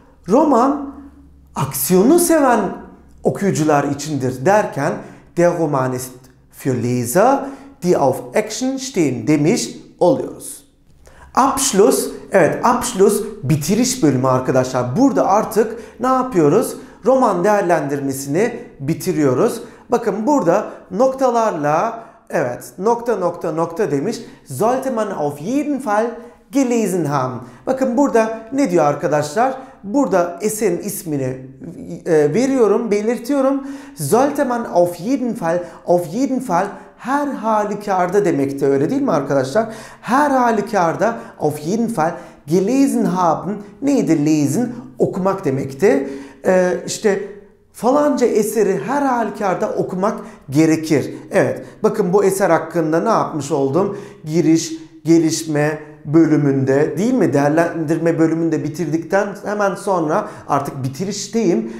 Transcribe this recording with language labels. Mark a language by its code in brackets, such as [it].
[tr] Roman aksiyonu seven okuyucular içindir derken [de] der Roman ist für Leser, die auf action stehen [tr] demiş oluyoruz. Abschluss, evet Abschluss bitiriş bölümü arkadaşlar. Burada artık ne yapıyoruz? Roman değerlendirmesini bitiriyoruz. Bakın burada noktalarla, evet nokta nokta nokta demiş. [de] Sollte man auf jeden Fall gelesen haben. [tr] Bakın burada ne diyor arkadaşlar? Burada eserin ismini veriyorum, belirtiyorum. [de] Sollte man auf jeden Fall, auf jeden Fall [tr] her halükarda demekti, öyle değil mi arkadaşlar? Her halükarda [de] auf jeden Fall gelesen haben [tr] neydi? Lesen okumak demekti. İşte falanca eseri her halükarda okumak gerekir. Evet, bakın bu eser hakkında ne yapmış oldum? Giriş, gelişme bölümünde değil mi? Değerlendirme bölümünde bitirdikten hemen sonra artık bitirişteyim.